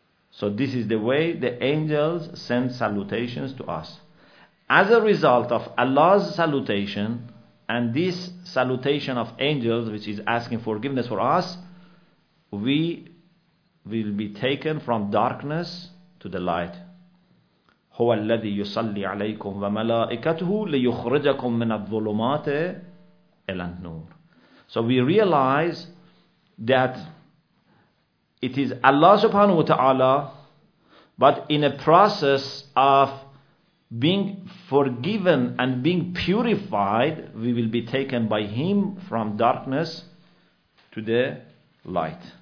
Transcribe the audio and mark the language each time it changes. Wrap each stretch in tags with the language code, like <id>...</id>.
<en>So this is the way the angels send salutations to us. As a result of Allah's salutation and this salutation of angels, which is asking forgiveness for us, we will be taken from darkness to the light.</en> <ar>هو الذي يصلي عليكم وملائكته ليخرجكم من الظلمات إلى النور.</ar> <en>So we realize that it is Allah subhanahu wa ta'ala, but in a process of being forgiven and being purified, we will be taken by Him from darkness to the light.</en>